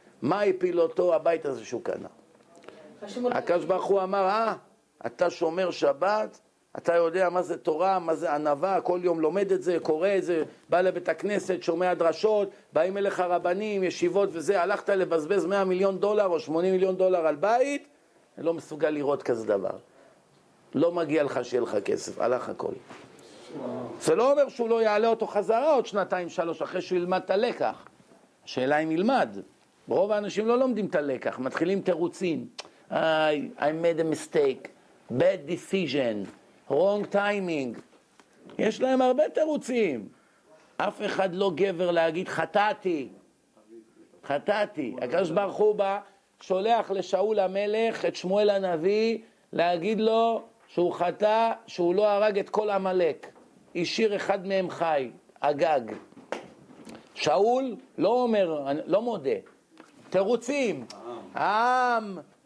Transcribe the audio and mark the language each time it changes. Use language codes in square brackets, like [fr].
[he] מה הפיל אותו הבית הזה שהוא קנה? הקדוש ברוך הוא אמר, אתה שומר שבת, אתה יודע מה זה תורה, מה זה ענווה, כל יום לומד את זה, קורא את זה, בא לבית הכנסת, שומע דרשות, באים אליך רבנים, ישיבות וזה, הלכת לבזבז 100 מיליון דולר או 80 מיליון דולר על בית, לא מסוגל לראות כזה דבר. לא מגיע לך שיהיה לך כסף, הלך הכל. זה לא אומר שהוא לא יעלה אותו חזרה עוד שנתיים, שלוש, אחרי שהוא ילמד את הלקח. השאלה אם ילמד. רוב האנשים לא לומדים את הלקח, מתחילים תירוצים. [en] I made a mistake, bad decision, wrong timing. [he] יש להם הרבה תירוצים. אף אחד לא גבר להגיד, חטאתי. חטאתי. הקדוש ברוך הוא בא, שולח לשאול המלך את שמואל הנביא, להגיד לו שהוא חטא, שהוא לא הרג את כל עמלק. השאיר אחד מהם חי, אגג. שאול לא אומר, לא מודה. תירוצים. העם.